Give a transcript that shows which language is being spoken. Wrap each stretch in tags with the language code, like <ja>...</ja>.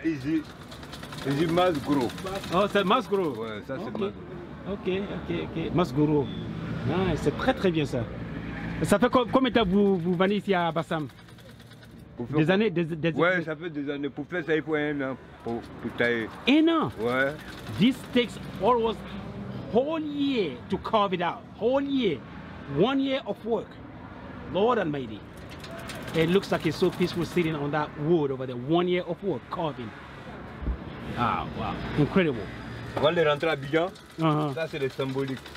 <fr>Ça, ici, c'est Masguro. Oh, c'est Masguro? Ouais, ça c'est okay. Masguro. Ok, ok, ok. Masguro. Ah, c'est très très bien ça. Ça fait combien de temps que vous venez ici à Bassam? Des années? Ouais, ça fait des années. Pour faire ça, il faut un an pour tailler. Un an? Ouais.</fr> <en>This takes almost whole year to carve it out. Whole year. 1 year of work. Lord Almighty. It looks like it's so peaceful sitting on that wood over there. 1 year of work carving. Ah, wow. Incredible.</en> <fr>Avant de rentrer à Abidjan, ça c'est le symbolique.</fr>